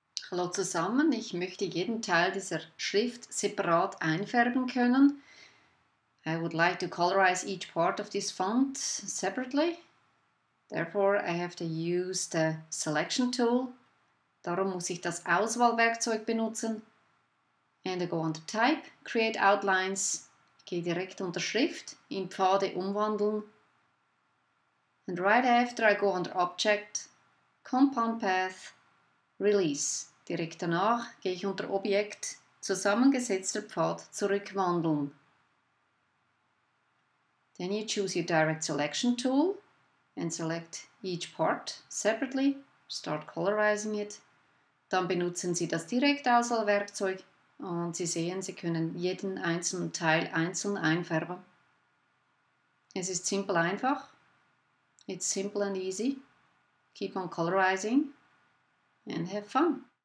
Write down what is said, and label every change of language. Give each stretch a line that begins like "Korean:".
German: Hallo zusammen, ich möchte jeden Teil dieser Schrift separat einfärben können.
English: I would like to colorize each part of this font separately. Therefore, I have to use the selection tool.
German: Darum muss ich das Auswahlwerkzeug benutzen.
English: And I go under Type, Create Outlines.
German: Ich gehe direkt unter Schrift, in Pfade umwandeln.
English: And right after, I go under Object, Compound Path, Release.
German: Direkt danach gehe ich unter Objekt, zusammengesetzter Pfad, zurückwandeln.
English: Then you choose your Direct Selection Tool and select each part separately, start colorizing it.
German: Dann benutzen Sie das Direktauswahlwerkzeug und Sie sehen, Sie können jeden einzelnen Teil einzeln einfärben. Es ist simpel einfach.
English: It's simple and easy. Keep on colorizing and have fun.